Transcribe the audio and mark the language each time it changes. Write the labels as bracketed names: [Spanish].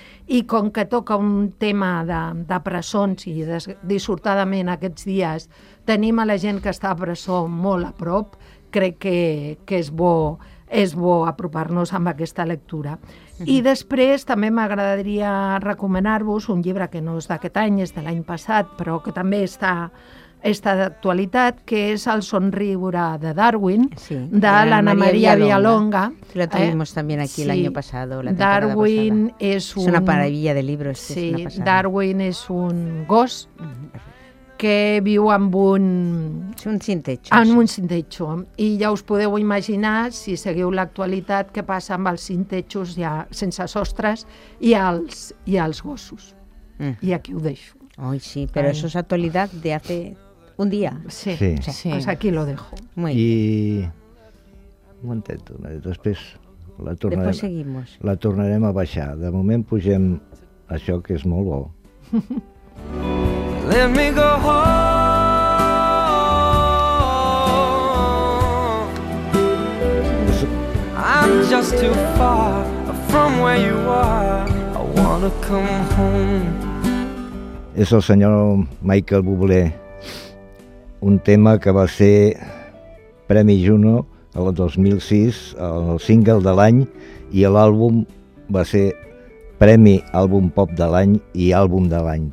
[Catalan] I com que toca un tema de presons, i dissortadament aquests dies tenim a la gent que està a presó molt a prop, crec que és bo apropar-nos amb aquesta lectura. I després també m'agradaria recomanar-vos un llibre que no és d'aquest any, és de l'any passat, però que també està d'actualitat, que és El somriure de Darwin, sí, de l'Anna Maria Villalonga. [Spanish] Sí, lo tuvimos también aquí sí, [Catalan] l'any passat. Darwin [Spanish] és un... És una maravilla de libros. Sí, [Catalan] és una passada. Darwin és un gos que viu amb un... És un cintetxo. Amb un cintetxo. I ja us podeu imaginar, si seguiu l'actualitat, què passa amb els cintetxos ja sense sostres i els gossos. Mm. I aquí ho deixo. [Spanish] Ay, sí, pero eso es actualidad de hace un día. Sí, sí. O sea, pues aquí lo dejo. Muy bien. Un momentito, después la tornarem, después seguimos. [Catalan] La tornarem a baixar. De moment pugem això, que és molt bo. [English] Let me go home. I'm just too far from where you are. I wanna come home. [Catalan] És el senyor Michael Bublé, un tema que va ser Premi Juno el 2006, el single de l'any, i l'àlbum va ser Premi Àlbum Pop de l'any i Àlbum de l'any.